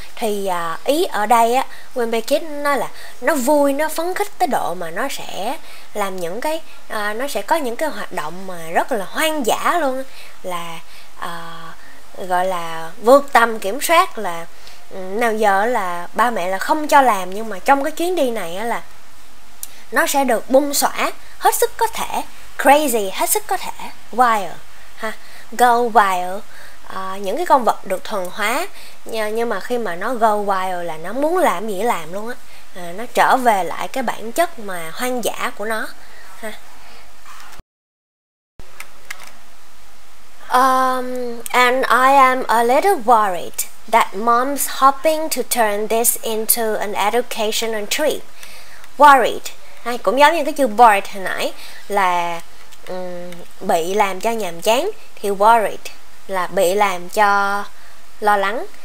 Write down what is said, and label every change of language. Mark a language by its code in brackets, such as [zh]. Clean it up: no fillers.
[vi] Thì ý ở đây á, Wimpy Kid nói là nó vui, nó phấn khích tới độ mà nó sẽ làm những cái nó sẽ có những cái hoạt động mà rất là hoang dã luôn, là gọi là vượt tầm kiểm soát, là nào giờ là ba mẹ là không cho làm, nhưng mà trong cái chuyến đi này á, là nó sẽ được bung xõa hết sức có thể, crazy hết sức có thể, wild ha, go wild. Những cái con vật được thuần hóa, nhưng mà khi mà nó go wild là nó muốn làm gì làm luôn á, nó trở về lại cái bản chất mà hoang dã của nó ha. [en] And I am a little worried that mom's hoping to turn this into an educational trip. [vi] Worried hay cũng giống như cái chữ bored hồi nãy, là bị làm cho nhàm chán, thì worried là bị làm cho lo lắng.